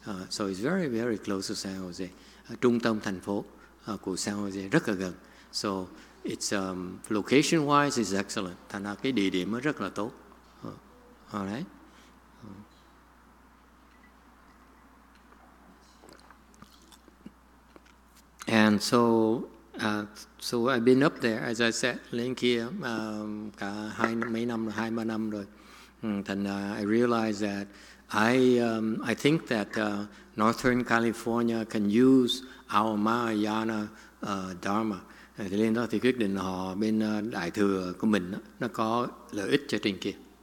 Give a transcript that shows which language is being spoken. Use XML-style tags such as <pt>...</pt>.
<en>So it's very, very close to San Jose.</en> <vi>Trung tâm thành phố của San Jose, rất là gần.</vi> <en>So it's location-wise, it's excellent.</en> <vi>Thành ra cái địa điểm rất là tốt. All right.</vi> <en>And so, so I've been up there, as I said,</en> <vi>lên kia cả hai ba năm rồi.</vi> <en>And I realized that I think that Northern California can use our Mahayana Dharma.</en> <vi>Thì lên đó thì quyết định họ bên đại thừa của mình nó có lợi ích cho trên kia.</vi>